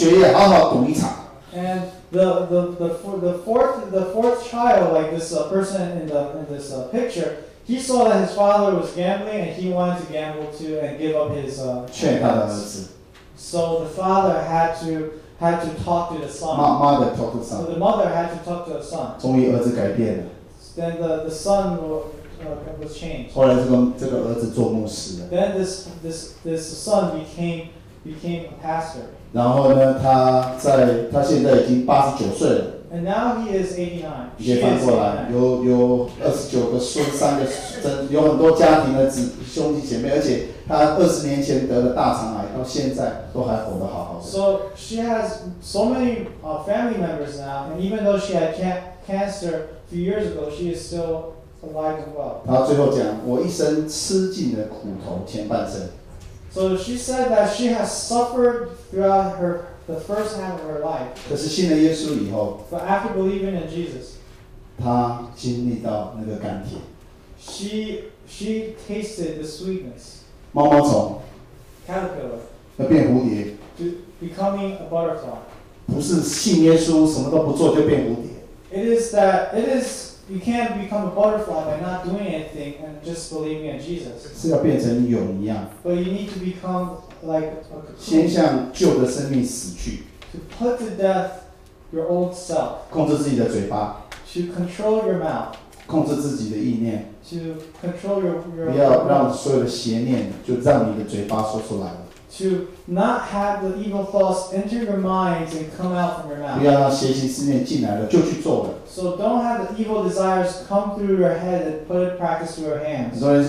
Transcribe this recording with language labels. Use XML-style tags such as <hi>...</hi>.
<zh>没想到其中的另外一个孩子，就是隔壁这个孩子，第四个孩子，看到爸爸赌博，他也想要放弃学业，好好赌一场。</zh> <en>And the fourth child, like this person in this picture, he saw that his father was gambling and he wanted to gamble too and give up his</en> <zh>劝他的儿子。</zh> <en>So the father had to talk to the son. Mother talked to the son. So the mother had to talk to the son.</en> <zh>终于儿子改变了。</zh> <en>Then the son was changed.</en> <zh>后来这个儿子做牧师了。</zh> <en>Then this son became a pastor.</en> <zh>然后呢，他现在已经89岁了。</zh> <en>And now he is 89.</en> <zh>你可以翻过来，有29个孙，3个孙，有很多家庭的兄弟姐妹，而且他20年前得了大肠癌，到现在都还活得好好的。</zh> <en>So she has so many family members now, and even though she had cancer a few years ago, she is still alive as well.</en> <zh>她最后讲，我一生吃尽了苦头，前半生。</zh> <en>So she said that she has suffered throughout the first half of her life.</en> <zh>可是信了耶稣以后,</zh> <en>but after believing in Jesus,</en> <zh>她经历到那个甘甜,</zh> <en>she tasted the sweetness.</en> <zh>猫猫虫,</zh> <en>caterpillar,</en> <zh>要变蝴蝶,</zh> <en>to becoming a butterfly.</en> <zh>不是信耶稣什么都不做就变蝴蝶,</zh> <en>it is you can't become a butterfly by not doing anything and just believing in Jesus.</en> <zh>是要变成蛹一样,</zh> <en>but you need to become like a cocoon.</en> <zh>先向旧的生命死去,</zh> <en>to put to death your old self.</en> <zh>控制自己的嘴巴,</zh> <en>to control your mouth.</en> <zh>控制自己的意念,</zh> <en>to control your</en> <zh>不要让所有的邪念就让你的嘴巴说出来了。</zh> <en>To not have the evil thoughts enter your minds and come out from your mouth.</en> <zh>不要让邪心思念进来了，就去做了。</zh> <en>So don't have the evil desires come through your head and put it practice through your hands.</en>